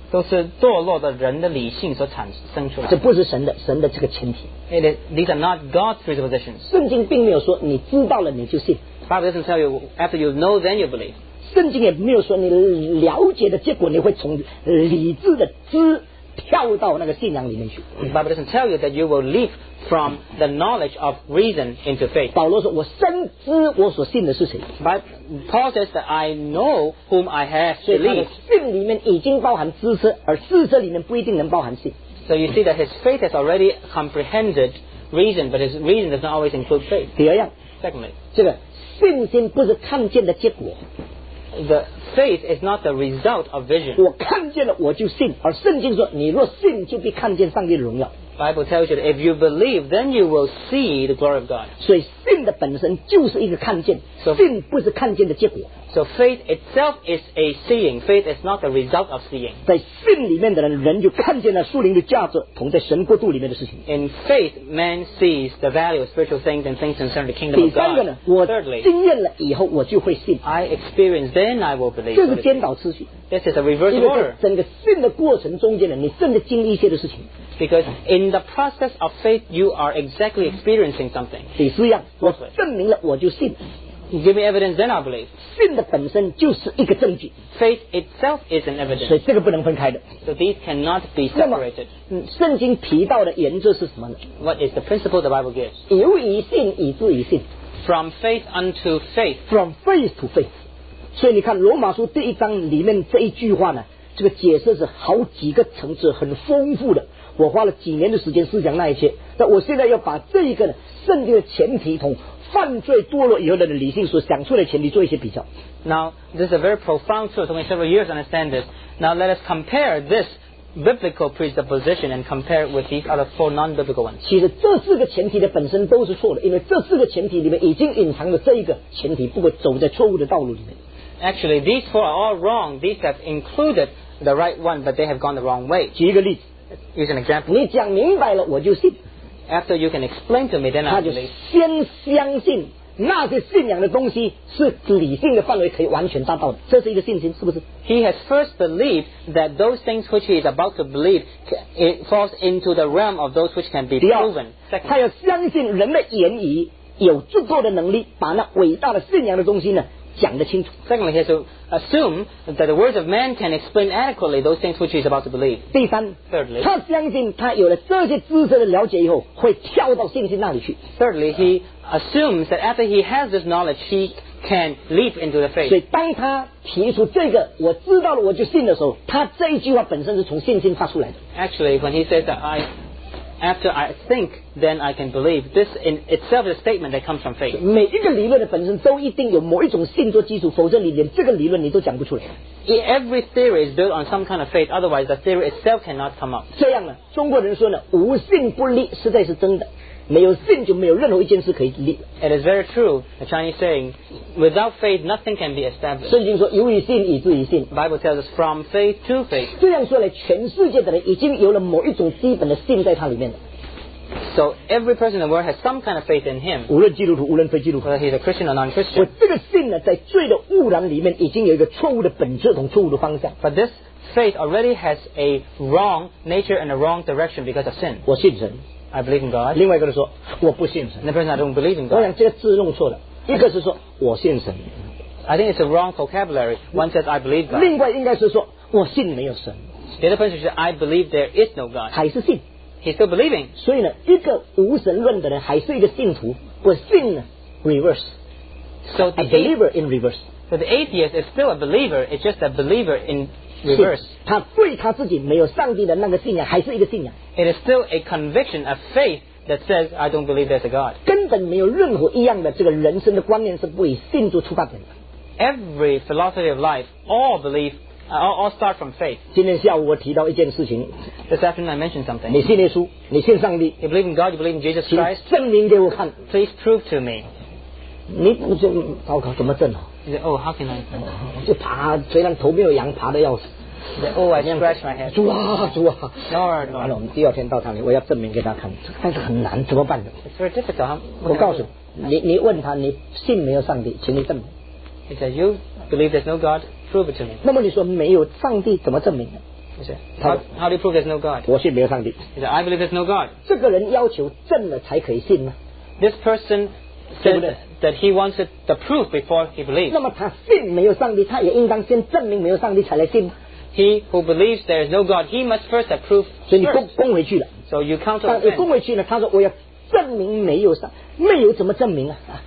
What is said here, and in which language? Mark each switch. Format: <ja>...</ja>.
<zh>都是堕落的人的理性所产生出来的。这不是神的，神的这个前提。</zh> <en>It is, these are not God's presuppositions.</en> <zh>圣经并没有说你知道了你就信。</zh> <en>Bible doesn't tell you after you know then you believe.</en> <zh>圣经也没有说你了解的结果你会从理智的知跳到那个信仰里面去。</zh> <en>Bible doesn't tell you that you will leap from the knowledge of reason into faith.</en> <zh>保罗说我深知我所信的是谁。</zh> <en>Paul says that I know whom I have believed.</en> <zh>所以他的信里面已经包含知识，而知识里面不一定能包含信。</zh> <en>So you see that his faith has already comprehended reason, but his reason does not always include faith.</en> <zh>第二样。</zh> <en>Secondly.</en> <zh>这个信心不是看见的结果。</zh> <en>The faith is not the result of vision.</en> <zh>我看见了我就信，而圣经说你若信就必看见上帝的荣耀。</zh> <en>Bible tells you that if you believe, then you will see the glory of God.</en> <zh>所以信的本身就是一个看见，信不是看见的结果。</zh> <en>So faith itself is a seeing. Faith is not the result of seeing.</en> <zh>在信里面的人，人就看见了属灵的价值，同在神国度里面的事情。</zh> <en>In faith, man sees the value of spiritual things and things concerning the kingdom of God.</en> <zh>第三个呢，我经验了以后，我就会信。</zh> <en>I experience, then I will believe.</en> <zh>这是颠倒次序。</zh> <en>This is a reverse order.</en> <zh>因为在整个信的过程中间呢，你正在经历一些的事情。</zh> <en>Because in the process of faith, you are exactly experiencing something.</en> <zh>第四样，我证明了我就信。</zh> <en>You give me evidence, then I believe.</en> <zh>信的本身就是一个证据。</zh> <en>Faith itself is an evidence.</en> <zh>所以这个不能分开的。</zh> <en>So these cannot be separated.</en> <zh>圣经提到的原则是什么呢？</zh> <en>What is the principle the Bible gives?</en> <zh>由于信以至于信。</zh> <en>From faith unto faith. From faith to faith.</en> <zh>所以你看罗马书第一章里面这一句话呢，这个解释是好几个层次，很丰富的。我花了几年的时间思想那一些，但我现在要把这一个呢，圣经的前提同犯罪堕落以后的理性所想出来的前提做一些比较。</zh> <en>Now this is a very profound truth. Took me several years to understand this. Now let us compare this biblical presupposition and compare it with these other four non-biblical ones.</en> <zh>其实这四个前提的本身都是错的，因为这四个前提里面已经隐藏了这一个前提，不过走在错误的道路里面。</zh> <en>Actually, these four are all wrong. These have included the right one, but they have gone the wrong way.</en> <zh>举一个例子。</zh> <en>Use an example.</en> <zh>你讲明白了，我就信。</zh> <en>After you can explain to me, then I believe.</en> <zh>他就先相信那些信仰的东西是理性的范围可以完全达到的，这是一个信心，是不是？</zh> <en>He has first believed that those things which he is about to believe it falls into the realm of those which can be proven. Second,</en> <zh>他要相信人的言语有足够的能力把那伟大的信仰的东西呢讲得清楚。</zh> <en>Secondly, he has to assume that the words of man can explain adequately those things which he is about to believe.</en> <zh>第三，</zh> <en>Thirdly,</en> <zh>他相信他有了这些知识的了解以后，会跳到信心那里去。</zh> <en>Thirdly, he assumes that after he has this knowledge, he can leap into the faith.</en> <zh>所以当他提出这个，我知道了我就信的时候，他这一句话本身是从信心发出来的。</zh> <en>Actually, when he says that I, after I think, then I can believe, this in itself is a statement that comes from faith.</en> <zh>每一个理论的本身都一定有某一种信做基础，否则你连这个理论你都讲不出来。</zh> <en>Every theory is built on some kind of faith, otherwise the theory itself cannot come up.</en> <zh>这样呢，中国人说呢，无信不立，实在是真的。没有信就没有任何一件事可以立。</zh> <en>It is very true, the Chinese saying, without faith, nothing can be established.</en> <zh>圣经说，由于信以至于信。</zh> <en>Bible tells us from faith to faith.</en> <zh>这样说来，全世界的人已经有了某一种基本的信在它里面了。</zh> <en>So every person in the world has some kind of faith in him.</en> <zh>无论基督徒，无论非基督徒。</zh> <en>Whether he's a Christian or non-Christian.</en> <zh>我这个信呢，在罪的污染里面已经有一个错误的本质同错误的方向。</zh> <en>But this faith already has a wrong nature and a wrong direction because of sin.</en> <zh>我信神。</zh> <en>I believe in God.</en> <zh>另外一个人说我不信神。</zh> <en>The person I don't believe in God.</en> <zh>我想这个字弄错了。一个是说我信神。</zh> <en>I think it's a wrong vocabulary. One says I believe God.</en> <zh>另外应该是说我信没有神。</zh> <en>The other person says I believe there is no God.</en> <zh>还是信。</zh> <en>He's still believing.</en> <zh>所以呢，一个无神论的人还是一个信徒。我信呢 ，</zh> <en>reverse. So a believer in reverse. So the atheist is still a believer. It's just a believer in. Reverse.</en> <zh>他对他自己没有上帝的那个信仰还是一个信仰。</zh> <en>It is still a conviction, a faith that says I don't believe there's a God.</en> <zh>根本没有任何一样的这个人生的观念是不以信做出发点的。</zh> <en>Every philosophy of life, all belief, all start from faith.</en> <zh>今天下午我提到一件事情。</zh> <en>This afternoon I mentioned something.</en> <zh>你信耶稣，你信上帝。</zh> <en>You believe in God, you believe in Jesus Christ.</en> <zh>证明给我看。</zh> <en>Please prove to me.</en> <zh>你不就糟糕怎么挣啊？你说</zh> <en>oh how can I</en> <zh>就爬，虽然头没有羊爬得要死。</zh> <en>The, oh, I scratch my head.</en> <zh>猪啊，猪啊！然后我们第二天到他那里，我要证明给他看，但是很难，怎么办呢？</zh> <en>It's very difficult.</en> <zh>我告诉你，你问他，你信没有上帝，请你证明。</zh> <en>He said, "You believe there's no God? Prove it to me."</en> <zh>那么你说没有上帝怎么证明呢？</zh> <en>He said, "How do you prove there's no God?"</en> <zh>我信没有上帝。</zh> <en>He said, "I believe there's no God."</en> <zh>这个人要求证了才可以信吗？</zh> <en>This person said that he wants the proof before he believes.</en> <zh>那么他信没有上帝，他也应当先证明没有上帝才来信。</zh> <en>He who believes there is no God, he must first approve. 所以你供回去了。 So you count on him.</en> <zh>你供回去了，他说我要证明没有上，没有怎么证明啊？</zh>